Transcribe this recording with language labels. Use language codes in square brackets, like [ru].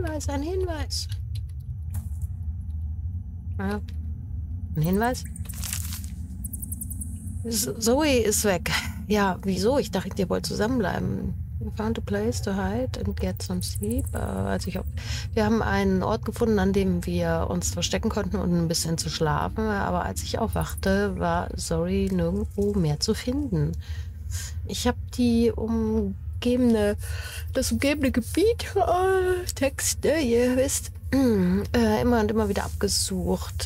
[de] Ein Hinweis. Ja. Ein Hinweis? Zoe ist weg. Ja, wieso? Ich dachte, ihr wollt zusammenbleiben. [en] We found a place to hide and get some sleep. [de] Wir haben einen Ort gefunden, an dem wir uns verstecken konnten, um ein bisschen zu schlafen. Aber als ich aufwachte, war Zoe nirgendwo mehr zu finden. Ich habe das umgebende Gebiet, immer und immer wieder abgesucht.